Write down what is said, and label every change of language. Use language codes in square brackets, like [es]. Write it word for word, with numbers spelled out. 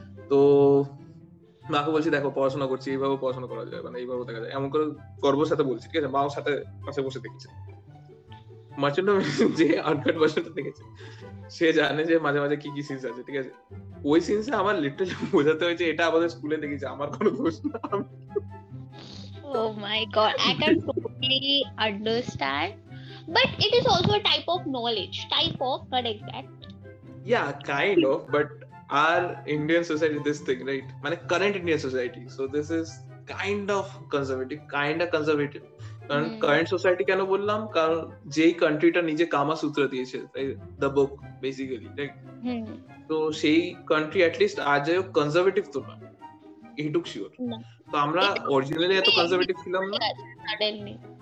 [bn] তো মাকে বলছি দেখো পড়াশোনা করছি, এইভাবে পড়াশোনা করা যায়, মানে এইভাবে দেখা যায়, এমন করে গর্বের সাথে বলছি, ঠিক আছে, মাও সাথে পাশে বসে দেখেছে। মার্চেন্ট যে আনকাট ভার্সনটা দেখেছে সে জানে যে মাঝে মাঝে কি কি সিনস আছে, ঠিক আছে, ওই সিনসে আমার লিটারালি বোঝাতে হয়েছে এটা আমাদের স্কুলে দেখেছে, আমার কোনো দোষ না। আমি [en] oh my god, I can totally understand, but it is also a type of knowledge, type of, not exact, Yeah, kind of, but our Indian society, this thing, right? I mean, current Indian society. So this is kind of conservative, kind of conservative. [bn] কারণ হুম। Current society কেন বললাম, কারণ যেই কান্ট্রিটা নিজে কামাসূত্র দিয়েছে, [en] The book basically, right? [bn] হুম তো সেই country at least আজ কনজারভেটিভ তো না, এইটুক শিওর। না। তো আমরা এটা অরিজিনালি এত এই কনজারভেটিভ ছিলাম না। সাডেনলি